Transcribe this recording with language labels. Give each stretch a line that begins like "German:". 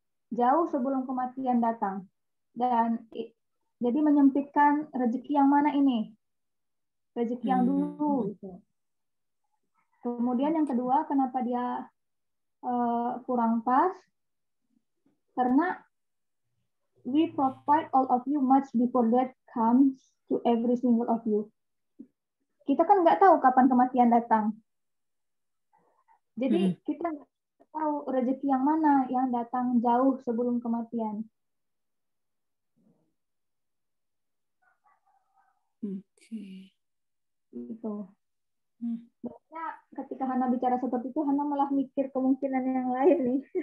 Indonesian: Jauh sebelum kematian datang. Dan jadi menyempitkan rezeki yang mana ini? Rezeki yang dulu. Kemudian yang kedua, kenapa dia kurang pas? Karena
English: we provide all of you much before that comes to every single of you.
Indonesian: Kita kan nggak tahu kapan kematian datang. Jadi kita nggak tahu rezeki yang mana yang datang jauh sebelum kematian. Itu. Bahasa ketika Hana bicara seperti itu, Hana malah mikir kemungkinan yang lain nih.